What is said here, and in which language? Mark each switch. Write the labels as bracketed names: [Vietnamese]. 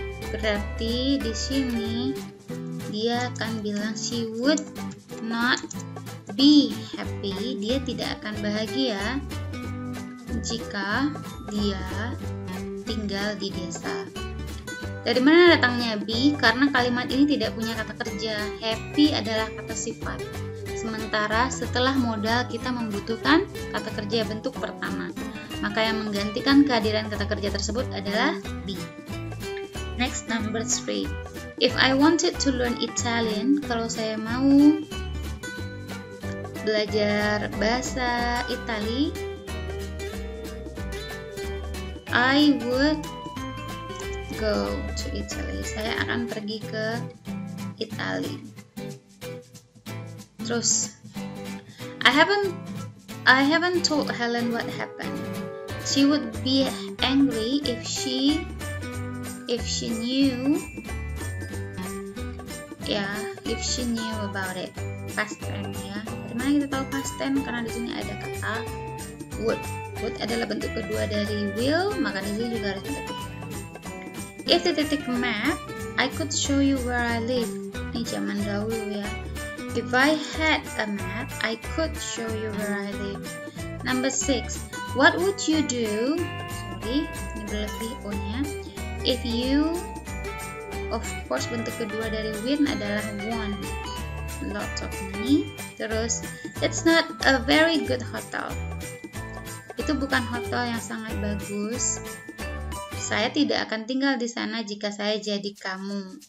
[Indonesian] Berarti di sini dia akan bilang [English] she would not be happy. [Indonesian] Dia tidak akan bahagia jika dia tinggal di desa. Dari mana datangnya be? Karena kalimat ini tidak punya kata kerja. Happy adalah kata sifat. Sementara setelah modal kita membutuhkan kata kerja bentuk pertama. Maka yang menggantikan kehadiran kata kerja tersebut adalah be. [English] Next, number 3. If I wanted to learn Italian, [Indonesian] kalau saya mau belajar bahasa Itali, [English] I would go to Italy. [Indonesian] Saya akan pergi ke Italy. [English] Terus, I haven't told Helen what happened. She would be angry if she knew about it. [Indonesian] Past tense ya. Dari mana kita tahu past tense? Karena di sini ada kata would. Would adalah bentuk kedua dari will, maka di sini juga harus bentuk kedua. [English] If the titik map, I could show you where I live. [Indonesian] Ini zaman dahulu ya. [English] If I had a map, I could show you where I live. Number 6. What would you do? [Indonesian] Sorry, ini berlebih O-nya. [English] If you, of course, [Indonesian] bentuk kedua dari win adalah won. [English] Lots of money. Terus, it's not a very good hotel. [Indonesian] Itu bukan hotel yang sangat bagus. Saya tidak akan tinggal di sana jika saya jadi kamu.